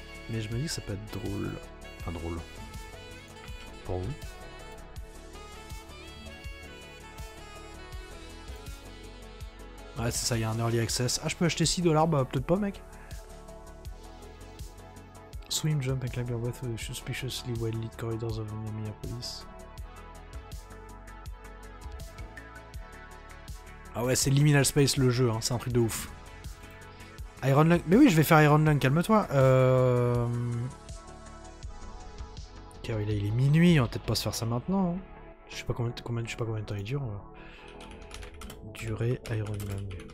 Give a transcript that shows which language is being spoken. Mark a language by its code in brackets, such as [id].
[fr] Mais je me dis que ça peut être drôle. Enfin, drôle. Pour vous. Ouais, c'est ça, il y a un early access. Ah, je peux acheter 6$, bah peut-être pas, mec. [en] Swim, jump and climb your way through the suspiciously well lit corridors of Minneapolis. [fr] Ah ouais, c'est Liminal Space le jeu, hein. C'est un truc de ouf. Iron Lung. Mais oui, je vais faire Iron Lung, calme-toi. Car là, il est minuit, on va peut-être pas se faire ça maintenant. Hein. Je sais pas combien de temps il dure. Là. Durée Iron Lung.